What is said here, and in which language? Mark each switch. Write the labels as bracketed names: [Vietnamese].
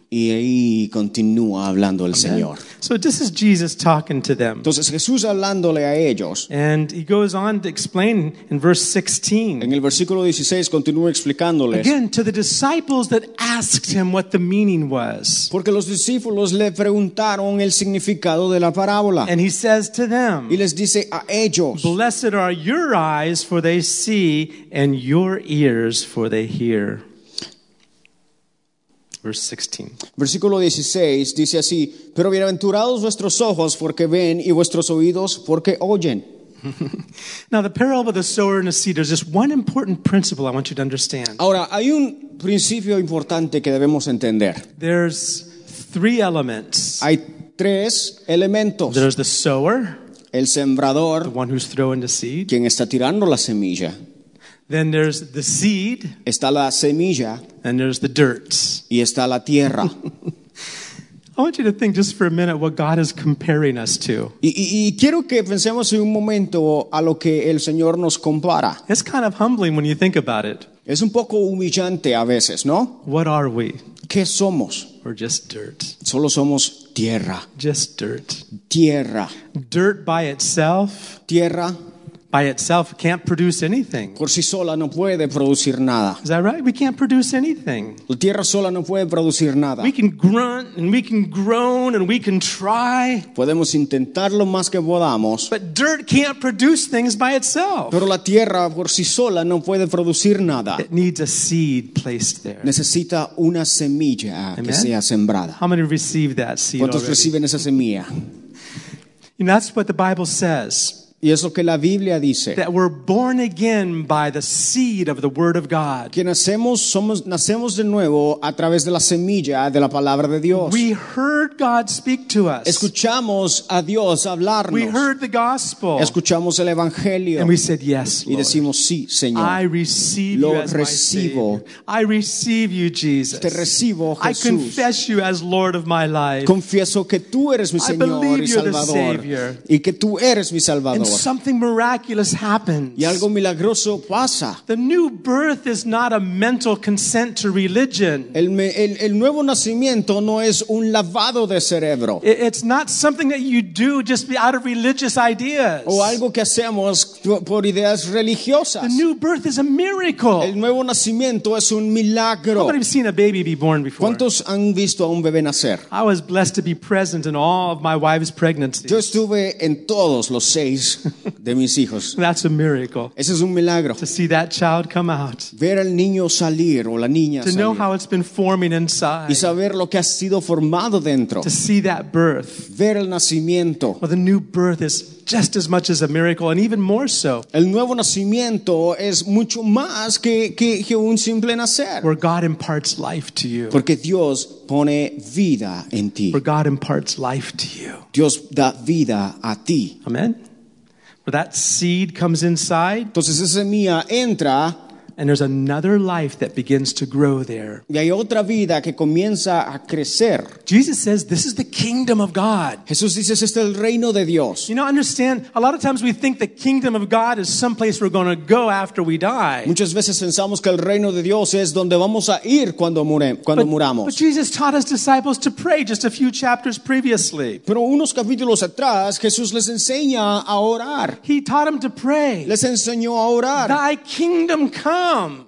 [Spanish] Y ahí continúa hablando el [English] Amen. [Spanish] Señor. [English] So this is Jesus talking to them. [Spanish] Entonces Jesús hablándole a ellos. [English] And he goes on to explain in verse 16. [Spanish] En el versículo 16 continúa explicándoles. [English] Again, to the disciples that asked him what the meaning was. [Spanish] Porque los discípulos le preguntaron el significado de la parábola. [English] And he says to them. [Spanish] Y les dice a ellos. [English] "Blessed are your eyes, for they see, and your ears, for they hear." Verse 16. [Spanish] Versículo 16 dice así, "Pero bienaventurados vuestros ojos porque ven y vuestros oídos porque oyen." [English] Now the parable of the sower and the seed, there's just one important principle I want you to understand. [Spanish] Ahora, hay un principio importante que debemos entender. [English] There's three elements. [Spanish] Hay tres elementos. [English] There's the sower, [Spanish] el sembrador, [English] the one who's throwing the seed, [Spanish] quien está tirando la semilla. [English] Then there's the seed. [Spanish] Está la semilla. [English] And there's the dirt. [Spanish] Y está la tierra. [English] I want you to think just for a minute what God is comparing us to. [Spanish] Y quiero que pensemos en un momento a lo que el Señor nos compara. [English] It's kind of humbling when you think about it. [Spanish] Es un poco humillante a veces, ¿no? [English] What are we? [Spanish] ¿Qué somos? [English] We're just dirt. [Spanish] Solo somos tierra. [English] Just dirt. [Spanish] Tierra. [English] Dirt by itself. [Spanish] Tierra. [English] By itself can't produce anything. [Spanish] Por sí sola no puede producir nada. [English] Is that right? We can't produce anything. [Spanish] La tierra sola no puede producir nada. [English] We can grunt and we can groan and we can try. [Spanish] Podemos intentar lo más que podamos. [English] But dirt can't produce things by itself. [Spanish] Pero la tierra por sí sola no puede producir nada. [English] It needs a seed placed there. [Spanish] Necesita una semilla. [English] Amen? [Spanish] Que sea sembrada. [English] How many receive that seed? [Spanish] ¿Cuántos [English] already? [Spanish] Reciben esa semilla? [English] And that's what the Bible says. [Spanish] Y es lo que la Biblia dice. [English] That we're born again by the seed of the word of God. [Spanish] Que nacemos de nuevo a través de la semilla de la palabra de Dios. [English] We heard God speak to us. [Spanish] Escuchamos a Dios hablarnos. [English] We heard the gospel. [Spanish] Escuchamos el evangelio. [English] And we said yes, Lord. [Spanish] Y decimos sí, Señor. [English] I receive [Spanish] lo [English] you as [Spanish] recibo. [English] My Savior. I receive you, Jesus. [Spanish] Te recibo, Jesús. [English] I confess you as Lord of my life. [Spanish] Confieso que tú eres mi Señor y Salvador. [English] I believe you're the Savior. [Spanish] Y que tú eres mi Salvador. [English] And something miraculous happens. [Spanish] Y algo milagroso pasa. [English] The new birth is not a mental consent to religion. [Spanish] El nuevo nacimiento no es un lavado de cerebro. [English] It's not something that you do just out of religious ideas. [Spanish] O algo que hacemos por ideas religiosas. [English] The new birth is a miracle. [Spanish] El nuevo nacimiento es un milagro. [English] How many have seen a baby be born before? [Spanish] ¿Cuántos han visto a un bebé nacer? [English] I was blessed to be present in all of my wife's pregnancies. [Spanish] Yo estuve en todos los seis de mis hijos. [English] That's a miracle. [Spanish] Ese es un milagro. [English] To see that child come out. [Spanish] Ver al niño salir o la niña [English] to [Spanish] salir. [English] To know how it's been forming inside. [Spanish] Y saber lo que ha sido formado dentro. [English] To see that birth. [Spanish] Ver el nacimiento. [English] Well, the new birth is just as much as a miracle, and even more so. [Spanish] El nuevo nacimiento es mucho más que un simple nacer. [English] Where God imparts life to you. [Spanish] Porque Dios pone vida en ti. [English] Where God imparts life to you. [Spanish] Dios da vida a ti. [English] Amen. That seed comes inside. [Spanish] Entonces esa semilla entra. [English] And there's another life that begins to grow there. [Spanish] Y hay otra vida que comienza a crecer. [English] Jesus says, this is the kingdom of God. [Spanish] Jesús dice, este es el reino de Dios. [English] You know, understand, a lot of times we think the kingdom of God is someplace we're going to go after we die. [Spanish] Muchas veces pensamos que el reino de Dios es donde vamos a ir cuando muramos. [English] But Jesus taught his disciples to pray just a few chapters previously. [Spanish] Pero unos capítulos atrás, Jesús les enseña a orar. [English] He taught them to pray. [Spanish] Les enseñó a orar. [English] Thy kingdom come.